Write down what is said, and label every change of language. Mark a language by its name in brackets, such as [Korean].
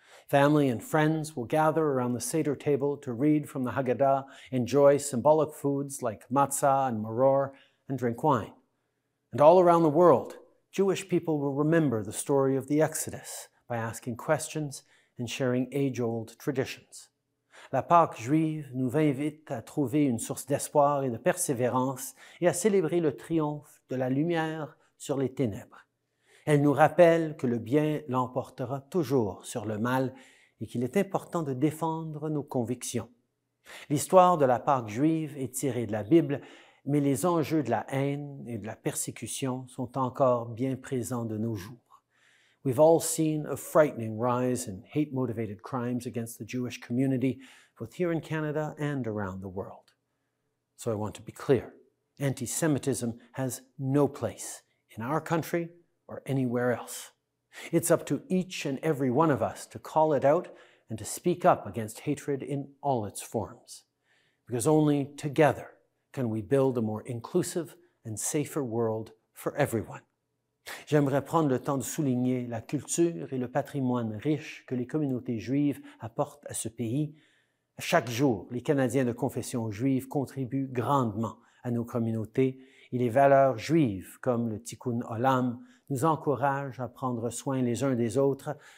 [English] Family and friends will gather around the Seder table to read from the Haggadah, enjoy symbolic foods like matzah and maror, and drink wine. And all around the world, Jewish people will remember the story of the Exodus by asking questions and sharing age-old traditions. [French] La Pâque juive nous invite à trouver une source d'espoir et de persévérance et à célébrer le triomphe de la lumière sur les ténèbres. Elle nous rappelle que le bien l'emportera toujours sur le mal et qu'il est important de défendre nos convictions. L'histoire de la Pâque juive est tirée de la Bible, mais les enjeux de la haine et de la persécution sont encore bien présents de nos jours. [English] We've all seen a frightening rise in hate-motivated crimes against the Jewish community, both here in Canada and around the world. So I want to be clear, anti-Semitism has no place in our country or anywhere else. It's up to each and every one of us to call it out and to speak up against hatred in all its forms. Because only together can we build a more inclusive and safer world for everyone. [French] J'aimerais prendre le temps de souligner la culture et le patrimoine riche que les communautés juives apportent à ce pays. Chaque jour, les Canadiens de confession juive contribuent grandement à nos communautés et les valeurs juives, comme le Tikkun Olam, nous encourage à prendre soin les uns des autres.